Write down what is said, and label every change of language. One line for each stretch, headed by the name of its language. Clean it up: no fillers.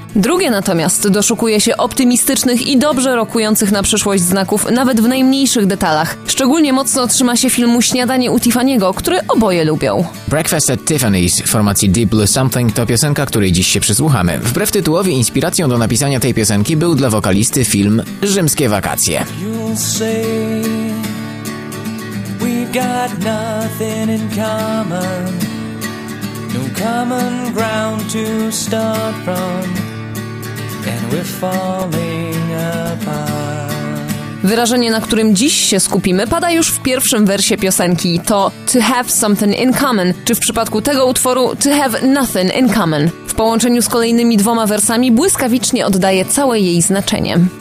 Polish: Drugie natomiast doszukuje się optymistycznych i dobrze rokujących na przyszłość znaków, nawet w najmniejszych detalach. Szczególnie mocno trzyma się filmu Śniadanie u Tiffany'ego, który oboje lubią. Breakfast at Tiffany's w formacji Deep Blue Something to piosenka, której dziś się przysłuchamy. Wbrew tytułowi, inspiracją do napisania tej piosenki był dla wokalisty film Rzymskie wakacje.
English: You'll say we've got nothing in common. No common ground to start from. And we're falling apart.
Polish: Wyrażenie, na którym dziś się skupimy, pada już w pierwszym wersie piosenki. To
English: to have something in common,
Polish: czy w przypadku tego utworu
English: to have nothing in common.
Polish: W połączeniu z kolejnymi dwoma wersami błyskawicznie oddaje całe jej znaczenie.